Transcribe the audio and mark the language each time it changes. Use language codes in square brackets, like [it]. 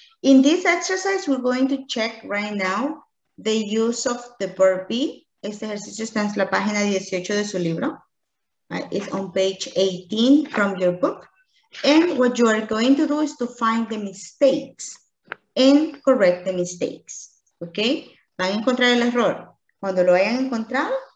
[en] In this exercise, we're going to check right now the use of the verb be. [es] Este ejercicio está en la página 18 de su libro. [en] It's on page 18 from your book. And what you are going to do is to find the mistakes and correct the mistakes. Okay? [es] Van a encontrar el error. Cuando lo hayan encontrado,